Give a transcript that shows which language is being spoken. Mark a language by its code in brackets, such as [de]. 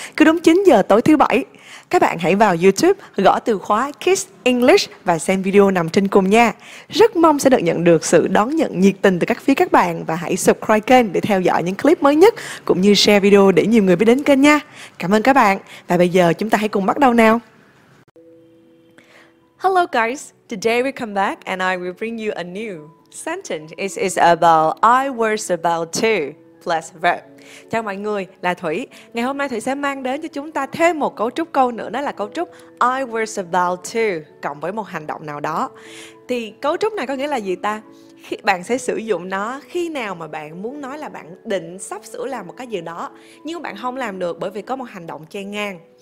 [vi] Cứ đúng 9 giờ tối thứ bảy, các bạn hãy vào YouTube gõ từ khóa Kiss English và xem video nằm trên cùng nha. Rất mong sẽ được nhận được sự đón nhận nhiệt tình từ các phía các bạn và hãy subscribe kênh để theo dõi những clip mới nhất cũng như share video để nhiều người biết đến kênh nha. Cảm ơn các bạn và bây giờ chúng ta hãy cùng bắt đầu nào. [en] Hello guys, today we come back and I will bring you a new sentence. It is about I was about to plus verb. [vi] Chào mọi người, là Thủy. Ngày hôm nay Thủy sẽ mang đến cho chúng ta thêm một cấu trúc câu nữa, đó là cấu trúc [en] I was about to [vi] cộng với một hành động nào đó. Thì cấu trúc này có nghĩa là gì ta? Bạn sẽ sử dụng nó khi nào mà bạn muốn nói là bạn định sắp sửa làm một cái gì đó nhưng bạn không làm được bởi vì có một hành động chen ngang.